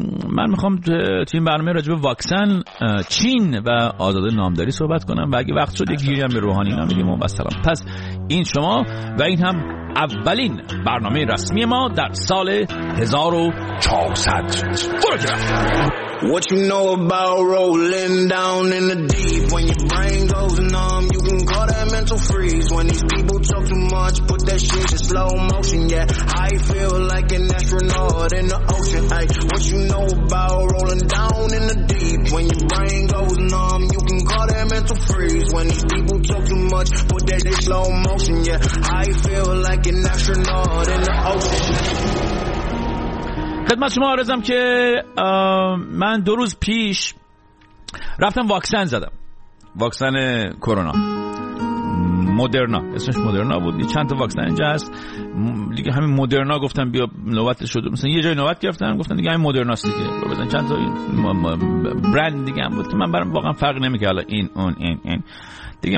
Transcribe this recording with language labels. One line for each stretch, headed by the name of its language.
Persian: من میخوام توی این برنامه راجب واکسن، چین و آزاد نامداری صحبت کنم و اگه وقت شد یک گیری هم به روحانی نامیدیم و سلام. پس این شما و این هم اولین برنامه رسمی ما در سال 1400.
English: What you know about rolling down in the deep? When your brain goes numb, you can call that mental freeze. When these people talk too much, put that shit in slow motion. Yeah, I feel like an astronaut in the ocean. Ay, what you know about rolling down in the deep? When your brain goes numb, you can call that mental freeze. When these people talk too much, put that shit in slow motion. Yeah, I feel like an astronaut in the ocean.
Persian: خدمت شما عرضم که من دو روز پیش رفتم واکسن زدم، واکسن کرونا، مدرنا، اسمش مدرنا بود. چند تا واکسن اینجا هست دیگه، همین مدرنا گفتم بیا نوبت شد، مثلا یه جای نوبت گرفتم گفتن دیگه همین مدرناست دیگه، بزن چند تا برند دیگه هم بود که من برام واقعا فرق نمیکنه حالا این اون این دیگه.